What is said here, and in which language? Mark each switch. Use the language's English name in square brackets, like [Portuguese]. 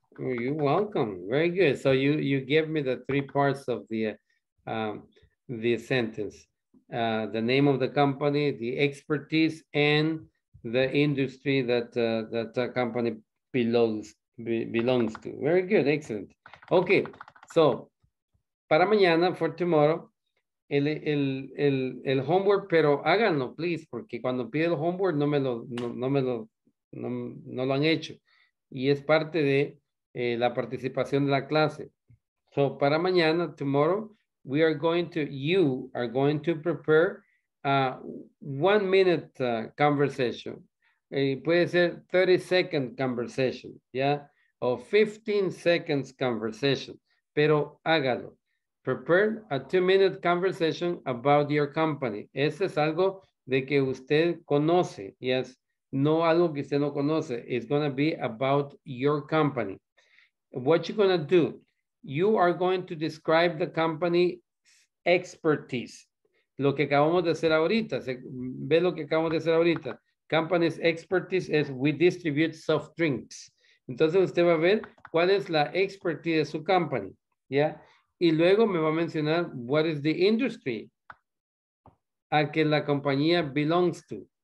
[English] You're welcome. Very good. So you give me the three parts of the sentence. The name of the company, the expertise, and the industry that that company belongs to. Very good, excellent. [Spanish] Okay, so para mañana, [English] for tomorrow, [Spanish] el homework, pero háganlo, [English] please, [Spanish] porque cuando pide el homework no lo han hecho, y es parte de la participación de la clase. [English] So [Spanish] para mañana, [English] tomorrow, you are going to prepare a 1 minute conversation. [Spanish] Puede ser [English] 30 second conversation, yeah, [Spanish] o [English] 15 seconds conversation, [Spanish] pero hágalo. [English] Prepare a 2 minute conversation about your company. [Spanish] Ese es algo de que usted conoce, [English] yes, [Spanish] no algo que usted no conoce. [English] It's going to be about your company. What you're going to do, you are going to describe the company expertise. [Spanish] Lo que acabamos de hacer ahorita, ve lo que acabamos de hacer ahorita. [English] Company's expertise is we distribute soft drinks. [Spanish] Entonces usted va a ver cuál es la expertise de su company, ¿ya? Y luego me va a mencionar [English] what is the industry [Spanish] a que la compañía [English] belongs to.